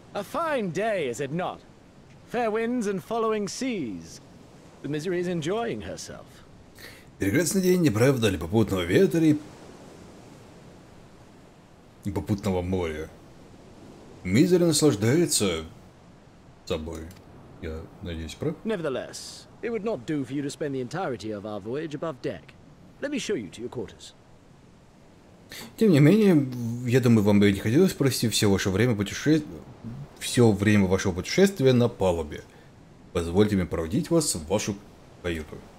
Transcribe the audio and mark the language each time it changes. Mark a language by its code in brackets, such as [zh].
[en] A fine day, is it not? Fair winds and following seas. The misery is enjoying herself. [ru] Прекрасный день, не правда ли, попутного ветра и попутного моря. Мизери наслаждается собой. Я надеюсь, прав? [en] Nevertheless, it would not do for you to spend the entirety of our voyage above deck. Let me show you to your quarters. [ru] Тем не менее, я думаю, вам бы не хотелось провести все ваше время путешествия, все время вашего путешествия на палубе. Позвольте мне проводить вас в вашу каюту.